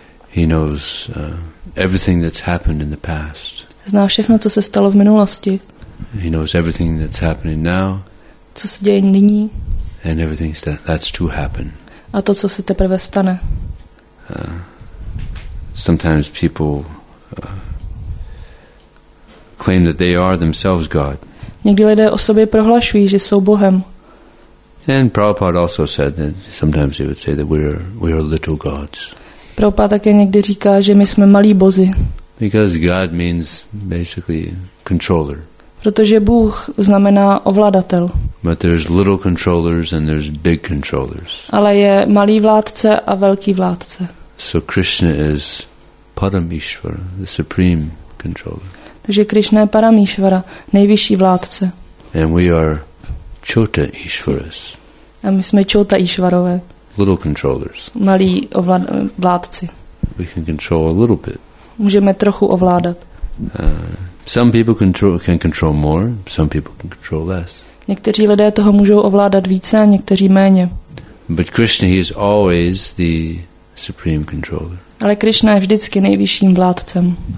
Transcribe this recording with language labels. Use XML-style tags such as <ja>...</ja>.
<en>He knows everything that's happened in the past.</en> <cs>Zná všechno, co se stalo v minulosti.</cs> <en>He knows everything that's happening now.</en> <cs>Co se děje nyní.</cs> <en>And everything that's to happen.</en> <cs>A to, co se teprve stane.</cs> <en>Sometimes people claim that they are themselves God.</en> <cs>Někdy lidé o sobě prohlašují, že jsou Bohem.</cs> <en>And Prabhupada also said that sometimes he would say that we are little gods.</en> <cs>Prabhupada také někdy říká, že my jsme malí bozy.</cs> <en>Because God means basically controller.</en> <cs>Protože Bůh znamená ovladatel.</cs> <en>But there's little controllers and there's big controllers.</en> <cs>Ale je malý vládce a velký vládce.</cs> <en>So Krishna is Parameshvara, the supreme controller.</en> <cs>Takže Krishna je Parameshvara, nejvyšší vládce.</cs> <en>And we are Chota Ishvaras.</en> <cs>A my jsme Chota Ishvarové.</cs> <en>Little controllers.</en> <cs>Malí vládci.</cs> <en>We can control a little bit.</en> <cs>Můžeme trochu ovládat.</cs> <en>Some people can control more, some people can control less.</en> <cs>Někteří lidé toho můžou ovládat více a někteří méně.</cs> <en>But Krishna, he is always the supreme controller.</en> <cs>Ale Krishna je vždycky nejvyšším vládcem.</cs>